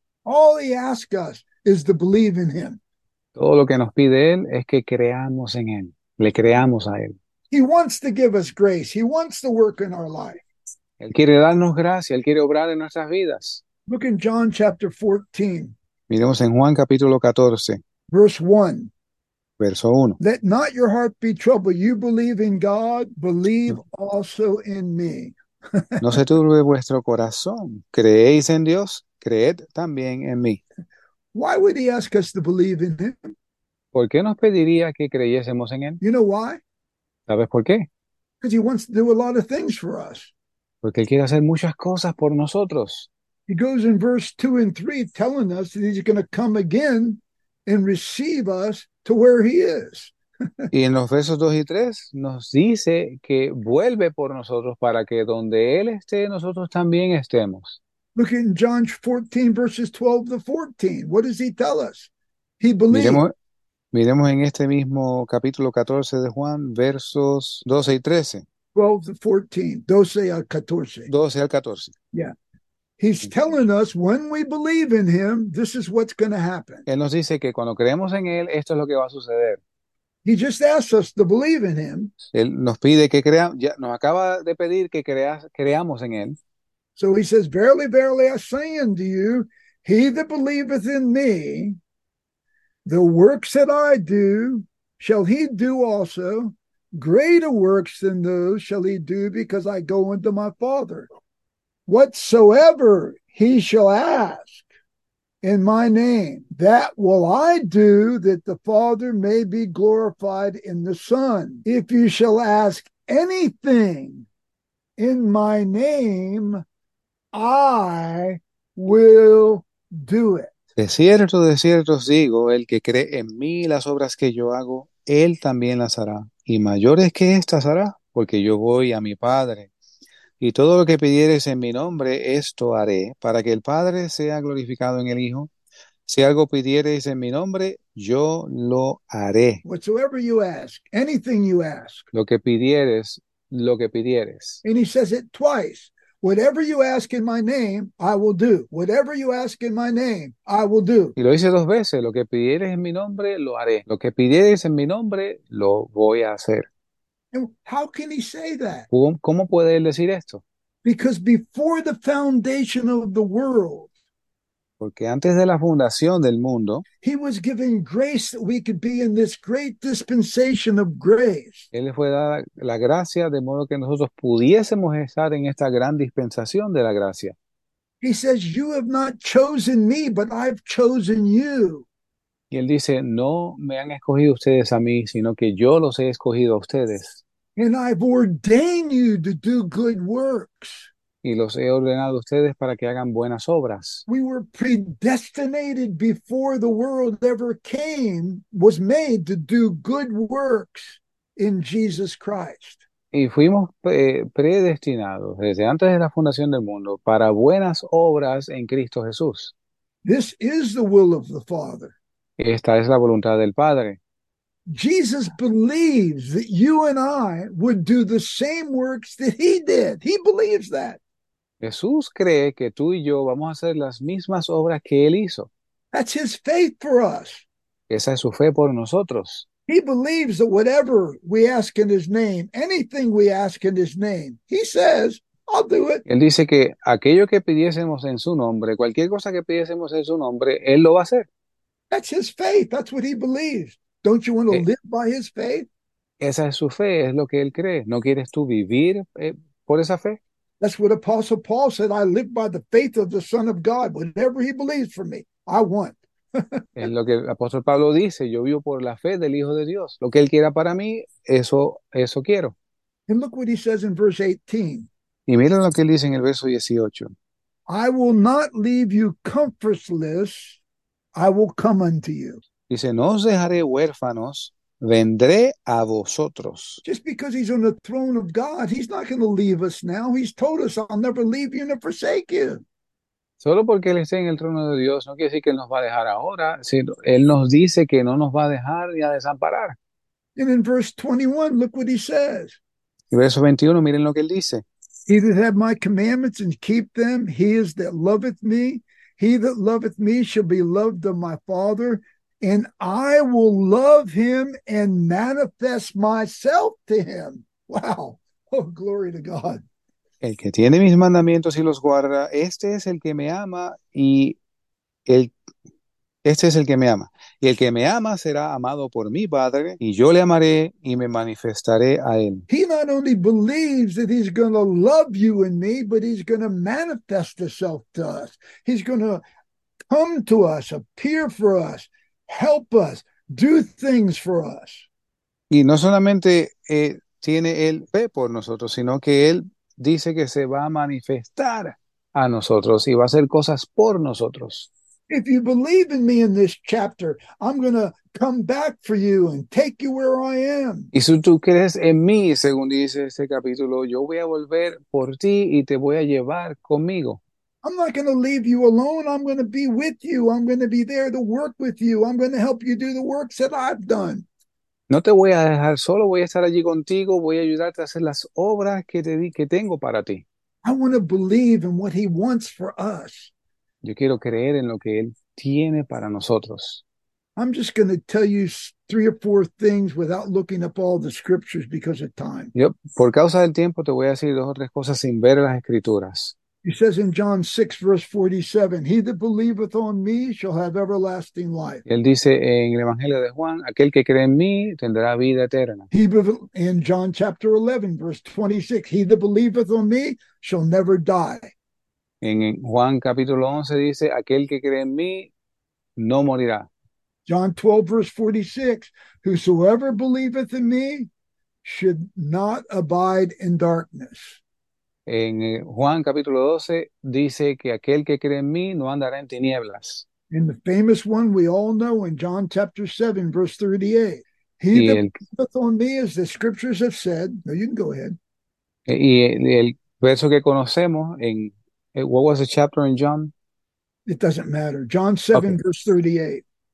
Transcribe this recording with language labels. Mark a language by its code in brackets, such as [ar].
[en] All he asks us is to believe in him. [es] Todo lo que nos pide Él es que creamos en Él, le creamos a Él. [en] He wants to give us grace. He wants to work in our life. [es] Él quiere darnos gracia, Él quiere obrar en nuestras vidas. [en] Look in John chapter 14. [es] Miremos en Juan capítulo 14, [en] Verse 1. [es] verso 1. [en] Let not your heart be troubled. You believe in God, believe also in me. [es] No se turbe vuestro corazón. Creéis en Dios, creed también en mí. [en] Why would he ask us to believe in him? [es] ¿Por qué nos pediría que creyésemos en Él? [en] You know why? [es] ¿Sabes por qué? [en] Because he wants to do a lot of things for us. [es] Porque Él quiere hacer muchas cosas por nosotros. [en] He goes in verse 2 and 3 telling us that he's going to come again and receive us to where he is. [es] Y en los versos 2 y 3 nos dice que vuelve por nosotros para que donde Él esté, nosotros también estemos. [en] Look in John 14, verses 12 to 14. What does he tell us? He believed. [es] Miremos en este mismo capítulo 14 de Juan, versos 12 y 13. [en] 12 to 14, [es] 12 al 14. 12 al 14. [en] Yeah. He's telling us when we believe in him, this is what's going to happen. [es] Él nos dice que cuando creemos en Él, esto es lo que va a suceder. [en] He just asks us to believe in him. [es] Él nos pide que creamos, ya nos acaba de pedir que creamos en Él. [en] So he says, verily, verily, I say unto you, he that believeth in me, the works that I do, shall he do also. Greater works than those shall he do because I go unto my Father. Whatsoever he shall ask in my name, that will I do that the Father may be glorified in the Son. If you shall ask anything in my name, I will do it. [es] De cierto os digo, el que cree en mí las obras que yo hago, él también las hará. Y mayores que éstas hará, porque yo voy a mi Padre. Y todo lo que pidiereis en mi nombre, esto haré, para que el Padre sea glorificado en el Hijo. Si algo pidiereis en mi nombre, yo lo haré. [en] Whatsoever you ask, anything you ask. [es] Lo que pidiereis, lo que pidiereis. [en] And he says it twice. Whatever you ask in my name, I will do. Whatever you ask in my name, I will do. [es] Y lo hice dos veces, lo que pidieres en mi nombre, lo haré. Lo que pidieres en mi nombre, lo voy a hacer. [en] And how can he say that? [es] ¿Cómo puede él decir esto? [en] Because before the foundation of the world, [es] Porque antes de la fundación del mundo, [en] he was given grace that we could be in this great dispensation of grace. [es] Él le fue dada la gracia de modo que nosotros pudiésemos estar en esta gran dispensación de la gracia. [en] He says, you have not chosen me, but I've chosen you. [es] Y él dice, no me han escogido ustedes a mí, sino que yo los he escogido a ustedes. [en] And I've ordained you to do good works. [es] Y los he ordenado a ustedes para que hagan buenas obras. [en] We were predestinated before the world ever came, was made to do good works in Jesus Christ. [es] Y fuimos predestinados desde antes de la fundación del mundo para buenas obras en Cristo Jesús. [en] This is the will of the Father. [es] Esta es la voluntad del Padre. [en] Jesus believes that you and I would do the same works that he did. He believes that. [es] Jesús cree que tú y yo vamos a hacer las mismas obras que él hizo. [en] That's his faith for us. [es] Esa es su fe por nosotros. [en] He believes that whatever we ask in his name, anything we ask in his name, he says, I'll do it. [es] Él dice que aquello que pidiésemos en su nombre, cualquier cosa que pidiésemos en su nombre, él lo va a hacer. [en] That's his faith. That's what he believes. Don't you want to live by his faith? [es] Esa es su fe, es lo que él cree. ¿No quieres tú vivir por esa fe? [en] That's what Apostle Paul said. I live by the faith of the Son of God. Whatever he believes for me, I want. [es] Es lo que el apóstol Pablo dice. Yo vivo por la fe del Hijo de Dios. Lo que él quiera para mí, eso quiero. [en] And look what he says in verse 18. [es] Y miren lo que él dice en el verso 18. [en] I will not leave you comfortless. I will come unto you. [es] Dice, no os dejaré huérfanos, vendré a vosotros. [en] Just because he's on the throne of God, he's not going to leave us now. He's told us, I'll never leave you nor forsake you. [es] Solo porque él esté en el trono de Dios no quiere decir que nos va a dejar ahora, sino él nos dice que no nos va a dejar ni a desamparar. [en] And in verse 21, look what he says. [es] Y verso 21, miren lo que él dice. [en] He that have my commandments and keep them, he is that loveth me. He that loveth me shall be loved of my Father, and I will love him and manifest myself to him. Wow. Oh, glory to God. [es] El que tiene mis mandamientos y los guarda, este es el que me ama y el este es el que me ama. Y el que me ama será amado por mi Padre y yo le amaré y me manifestaré a él. [en] He not only believes that he's going to love you and me, but he's going to manifest himself to us. He's going to come to us, appear for us, help us, do things for us. [es] Y no solamente tiene él fe por nosotros, sino que él dice que se va a manifestar a nosotros y va a hacer cosas por nosotros. [en] If you believe in me in this chapter, I'm going to come back for you and take you where I am. [es] Y si tú crees en mí, según dice este capítulo, yo voy a volver por ti y te voy a llevar conmigo. [en] I'm not going to leave you alone. I'm going to be with you. I'm going to be there to work with you. I'm going to help you do the works that I've done. [es] No te voy a dejar solo, voy a estar allí contigo, voy a ayudarte a hacer las obras que te di, que tengo para ti. [en] I want to believe in what he wants for us. [es] Yo quiero creer en lo que él tiene para nosotros. [en] I'm just going to tell you three or four things without looking up all the scriptures because of time. [es] Yo, por causa del tiempo, te voy a decir dos o tres cosas sin ver las escrituras. [en] He says in John 6, verse 47, he that believeth on me shall have everlasting life. [es] Él dice en el Evangelio de Juan, aquel que cree en mí tendrá vida eterna. [en] In John chapter 11, verse 26, he that believeth on me shall never die. [es] En Juan capítulo 11 dice, aquel que cree en mí no morirá. [en] John 12, verse 46, whosoever believeth in me should not abide in darkness. [es] En Juan capítulo 12 dice que aquel que cree en mí no andará en tinieblas. [en] In the famous one we all know in John chapter 7 verse 38. He that believeth on me as the scriptures have said. No, you can go ahead. [es] Y el verso que conocemos en, [en] what was the chapter in John? It doesn't matter. John 7 okay. Verse 38.